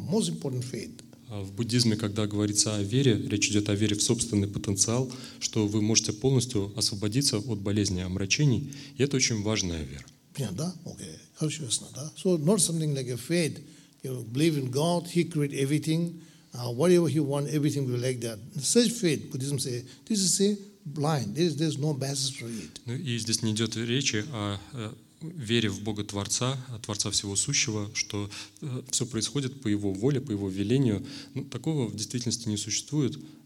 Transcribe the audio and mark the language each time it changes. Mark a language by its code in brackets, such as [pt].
[ru] В буддизме, когда говорится о вере, речь идет о вере в собственный потенциал, что вы можете полностью освободиться от болезни и омрачений, и это очень важная вера. Понятно, да? Окей, хорошо, ясно, да? [en] So, not something like a faith. You believe in God, He created everything, whatever He wants, everything will be like that. Such faith, Buddhism say, this is a blind, there's no basis for it. [ru] Ну и здесь не идет речи о вере в Бога Творца, Творца Всего Сущего, что все происходит по Его воле, по Его велению. Но такого в действительности не существует.